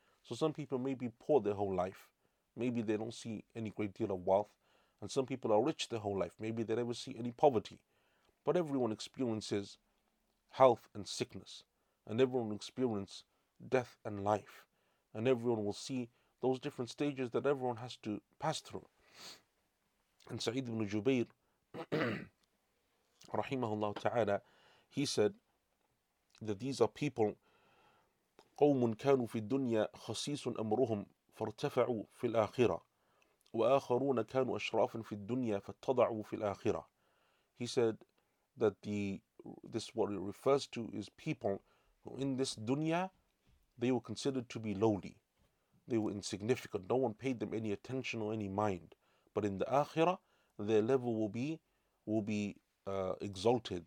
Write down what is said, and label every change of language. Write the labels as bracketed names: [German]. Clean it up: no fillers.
[English] So some people may be poor their whole life. Maybe they don't see any great deal of wealth. And some people are rich their whole life. Maybe they never see any poverty. But everyone experiences health and sickness. And everyone experiences death and life. And everyone will see those different stages that everyone has to pass through. And Sa'id ibn Jubayr, rahimahullah ta'ala, he said that these are people, [Arabic] قَوْمٌ كَانُوا فِي الدُّنْيَا خَسِيسٌ أَمْرُهُمْ فَارْتَفَعُوا فِي الْآخِرَةِ وَآخَرُونَ كَانُوا أَشْرَافٍ فِي الدُّنْيَا فَاتَّضَعُوا فِي الْآخِرَةِ. [English] He said that this what it refers to is people who in this dunya, they were considered to be lowly. They were insignificant. No one paid them any attention or any mind. But in the Akhirah, their level will be exalted.